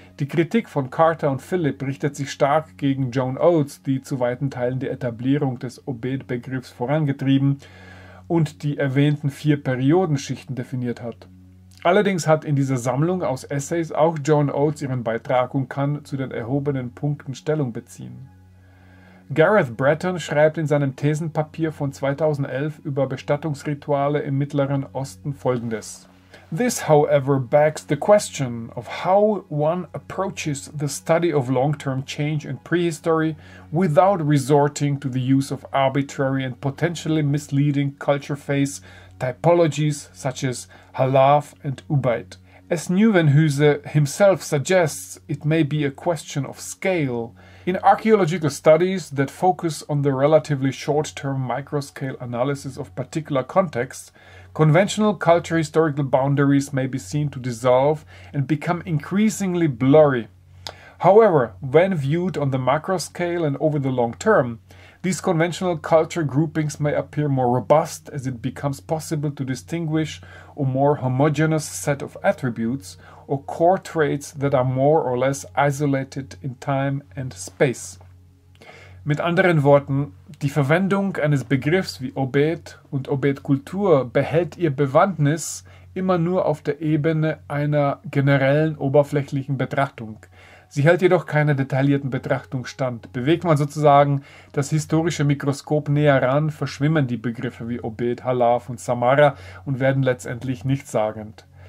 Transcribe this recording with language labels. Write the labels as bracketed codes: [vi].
[de] Die Kritik von Carter und Philipp richtet sich stark gegen Joan Oates, die zu weiten Teilen die Etablierung des Obed-Begriffs vorangetrieben und die erwähnten vier Periodenschichten definiert hat. Allerdings hat in dieser Sammlung aus Essays auch Joan Oates ihren Beitrag und kann zu den erhobenen Punkten Stellung beziehen. Gareth Breton schreibt in seinem Thesenpapier von 2011 über Bestattungsrituale im Mittleren Osten folgendes. [en] This, however, begs the question of how one approaches the study of long-term change in prehistory without resorting to the use of arbitrary and potentially misleading culture phase typologies such as Halaf and Ubaid. As Nieuwenhuyse himself suggests, it may be a question of scale. In archaeological studies that focus on the relatively short-term microscale analysis of particular contexts, conventional culture-historical boundaries may be seen to dissolve and become increasingly blurry. However, when viewed on the macro scale and over the long term, these conventional culture groupings may appear more robust as it becomes possible to distinguish a more homogeneous set of attributes or core traits that are more or less isolated in time and space. [de] Mit anderen Worten, die Verwendung eines Begriffs wie Obed und Obed-Kultur behält ihr Bewandtnis immer nur auf der Ebene einer generellen oberflächlichen Betrachtung. Sie hält jedoch keiner detaillierten Betrachtung stand. Bewegt man sozusagen das historische Mikroskop näher ran, verschwimmen die Begriffe wie Obed, Halaf und Samara und werden letztendlich nichtssagend.